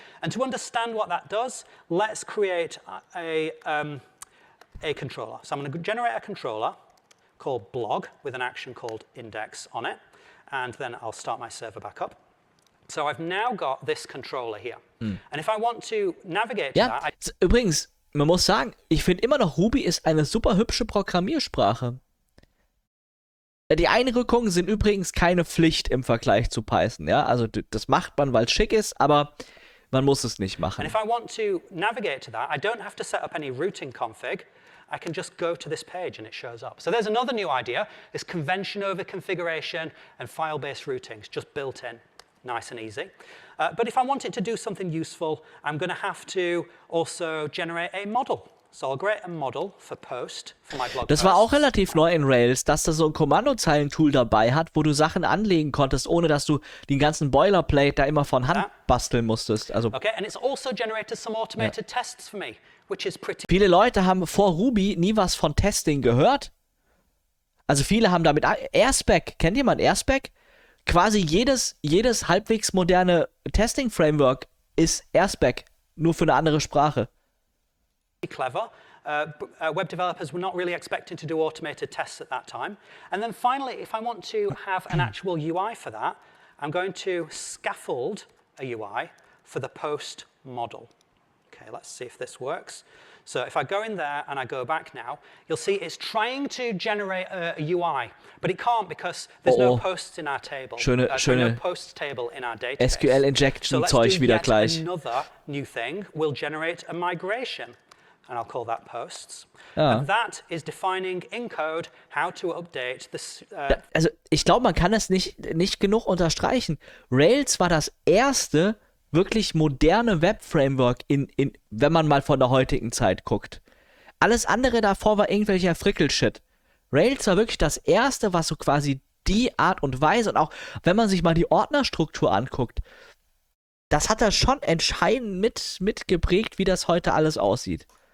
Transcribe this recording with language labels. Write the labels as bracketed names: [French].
[English] And to understand what that does, let's create a controller. So I'm going to generate a controller called blog with an action called index on it, and then I'll start my server back up. So I've now got this controller here. And if I want to navigate to that... [German] Übrigens, man muss sagen, ich finde immer noch, Ruby ist eine super hübsche Programmiersprache. Die Einrückungen sind übrigens keine Pflicht im Vergleich zu Python, ja? Also das macht man, weil es schick ist, aber man muss es nicht machen. [English] And if I want to navigate to that, I don't have to set up any routing config. I can just go to this page and it shows up. So there's another new idea, is convention over configuration and file-based routing. It's just built in, nice and easy. But if I want it to do something useful, I'm going to have to also generate a model. So I'll create a model for post for my blog post. [German] Das war auch relativ neu in Rails, dass da so ein Kommandozeilentool dabei hat, wo du Sachen anlegen konntest, ohne dass du den ganzen Boilerplate da immer von Hand basteln musstest. Also [English] okay, and it's also generated some automated tests for me. Which is pretty... [German] Viele Leute haben vor Ruby nie was von Testing gehört. Also viele haben damit... Airspec, kennt jemand Airspec? Quasi jedes halbwegs moderne Testing-Framework ist Airspec, nur für eine andere Sprache. Clever. [English] Web developers were not really expecting to do automated tests at that time. And then finally, if I want to have an actual UI for that, I'm going to scaffold a UI for the post model. Okay, let's see if this works. So if I go in there and I go back now, you'll see it's trying to generate a UI, but it can't because there's no posts in our table. [German] Schöne [English] post table in our database. SQL injection so [German] Zeug wieder gleich. [English] So let's do yet another new thing. We'll generate a migration, and I'll call that posts. [German] Ja. [English] And that is defining in code how to update the... [German] Also ich glaube, man kann das nicht genug unterstreichen. Rails war das erste wirklich moderne Web-Framework, wenn man mal von der heutigen Zeit guckt. Alles andere davor war irgendwelcher Frickel-Shit. Rails war wirklich das erste, was so quasi die Art und Weise, und auch wenn man sich mal die Ordnerstruktur anguckt, das hat da schon entscheidend mitgeprägt, wie das heute alles aussieht.